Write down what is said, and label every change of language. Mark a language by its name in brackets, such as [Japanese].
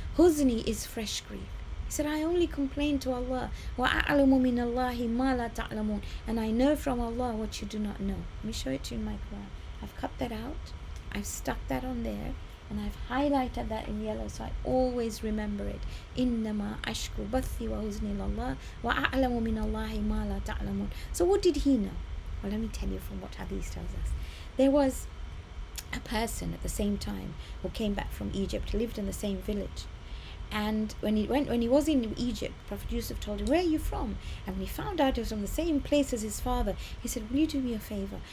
[English] Husni is fresh grief. He said, I only complain to Allah. [Arabic] وَأَعْلَمُ مِنَ اللَّهِ مَا لَا تَعْلَمُونَ [English] And I know from Allah what you do not know. Let me show it to you in my Quran. I've cut that out. I've stuck that on there. And I've highlighted that in yellow so I always remember it. [Arabic] إِنَّمَا أَشْكُ بَثِّ وَهُزْنِ لَاللَّهِ وَأَعْلَمُ مِنَ اللَّهِ مَا لَا تَعْلَمُونَ [English] So what did he know? Well, let me tell you from what Hadith tells us. There was a person at the same time who came back from Egypt, lived in the same village. And when he was in Egypt, Prophet Yusuf told him, where are you from? And when he found out he was from the same place as his father, he said, will you do me a favor?